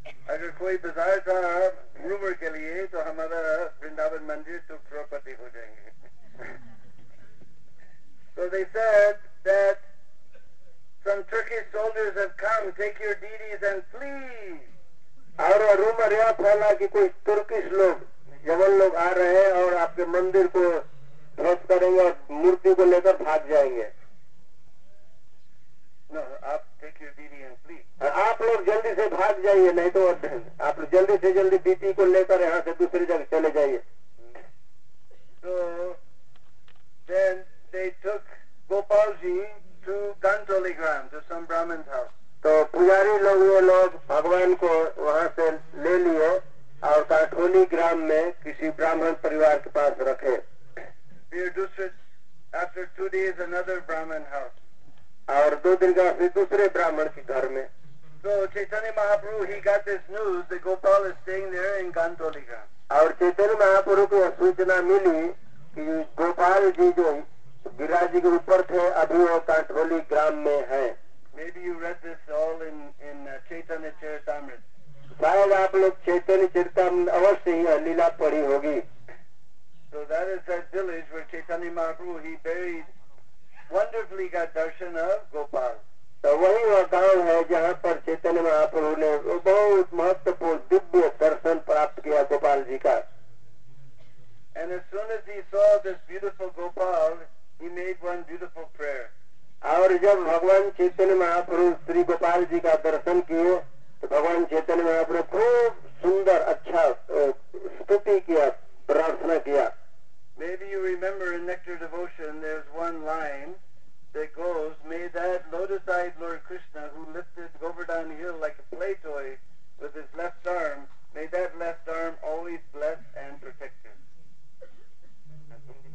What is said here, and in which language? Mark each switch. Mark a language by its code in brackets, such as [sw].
[hi] अगर कोई बाजार था rumor के लिए तो हमारा Vrindavan मंदिर तो Tirupati हो जाएंगे. [en] So they said that some Turkish soldiers have come. Take your deities and flee. [hi] और रूमर यह फैला कि कुछ तुर्की लोग यवन लोग आ रहे हैं और आपके मंदिर को ध्वस्त करेंगे और मूर्ति को लेकर भाग जाएंगे. [en] No, आप take your deity and flee. [hi] आप लोग जल्दी से भाग जाइए नहीं तो आप जल्दी से जल्दी डीटी को लेकर यहाँ से दूसरी जगह चले जाइए. [en] So, then they took Gopal ji to Gantoli Gram, to some Brahmin's house. [hi] तो पुजारी लोग ये लोग भगवान को वहाँ से ले लिए और गांठोली ग्राम में किसी ब्राह्मण परिवार के पास रखे. [en] After 2 days, another Brahmin house. [hi] और 2 दिन का फिर दूसरे ब्राह्मण के घर में. [en] So Chaitanya Mahaprabhu, he got this news that Gopal is staying there in Gantoli Gram. [hi] और चैतन्य महाप्रभु को सूचना मिली कि गोपाल जी जो गिरिराज जी के ऊपर थे अभी वो गांठोली ग्राम में है. [en] Maybe you read this all in Chaitanya Charitamrita. [hi] शायद आप लोग चैतन्य चरितामृत अवश्य ही लीला पढ़ी होगी. [en] So that is that village where Chaitanya Mahaprabhu, he buried, wonderfully got darshan of Gopal. [hi] तो वही वह गांव है जहाँ पर चैतन्य महाप्रभु ने बहुत महत्वपूर्ण दिव्य दर्शन प्राप्त किया गोपाल जी का. [en] And as soon as he saw this beautiful Gopal, he made one beautiful prayer. [hi] और जब भगवान चैतन्य महाप्रभु श्री गोपाल जी का दर्शन किए तो भगवान चैतन्य महाप्रभु खूब सुंदर अच्छा स्तुति किया प्रार्थना किया. [en] Maybe you remember in Nectar Devotion there's one line that goes, may that lotus-eyed Lord Krishna who lifted Govardhan Hill like a play toy with his left arm, may that left arm always bless and protect him.